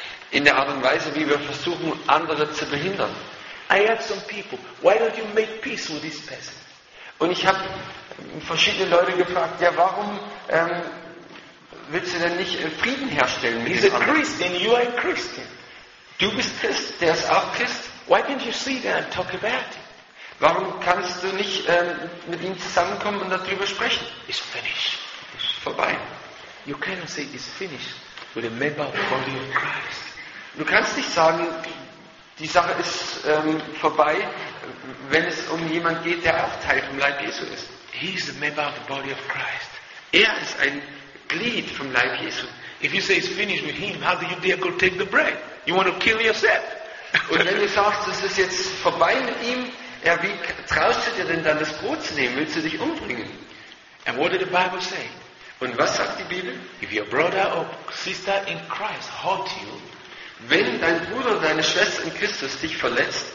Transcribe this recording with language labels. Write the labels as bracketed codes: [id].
[de] In der Art und Weise, wie wir versuchen, andere zu behindern. [en] I have some people. Why don't you make peace with this person? [de] Und ich habe verschiedene Leute gefragt, ja, warum willst du denn nicht Frieden herstellen mit dem anderen? [en] You are a Christian. [de] Du bist Christ, der ist auch Christ. [en] Why can't you see that and talk about it? [de] Warum kannst du nicht mit ihm zusammenkommen und darüber sprechen? [en] It's finished. [de] Ist vorbei. [en] You cannot say it's finished with a member of the body of Christ. [de] Du kannst nicht sagen, die Sache ist vorbei, wenn es um jemanden geht, der auch Teil vom Leib Jesu ist. [en] He is a member of the body of Christ. [de] Er ist ein Glied vom Leib Jesu. [en] If you say it's finished with him, how do you dare go take the bread? You want to kill yourself. [de] Und wenn du sagst, es ist jetzt vorbei mit ihm, ja, wie traust du dir denn dann das Brot zu nehmen? Willst du dich umbringen? [en] And what did the Bible say? [de] Und was sagt die Bibel? [en] If your brother or sister in Christ hurt you, [de] wenn dein Bruder oder deine Schwester in Christus dich verletzt,